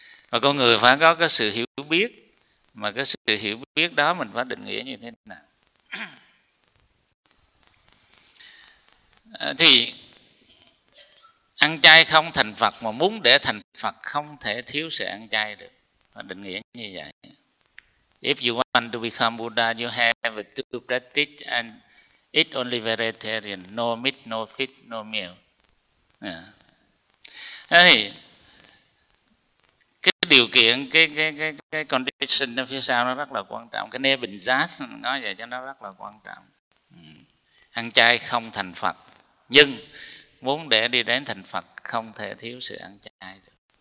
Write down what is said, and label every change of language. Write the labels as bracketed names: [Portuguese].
[Vietnamese] Và con người phải có cái sự hiểu biết. Mà cái sự hiểu biết đó mình phải định nghĩa như thế nào? Thì ăn chay không thành Phật, mà muốn để thành Phật không thể thiếu sự ăn chay được. Phải định nghĩa như vậy. [English] If you want to become Buddha, you have to practice and eat only vegetarian. No meat, no fish, no meal. [Vietnamese] Thì cái điều kiện, cái condition ở phía sau nó rất là quan trọng. Cái Nebenzas nói vậy cho nó rất là quan trọng. Ăn chay không thành Phật, nhưng muốn để đi đến thành Phật không thể thiếu sự ăn chay được.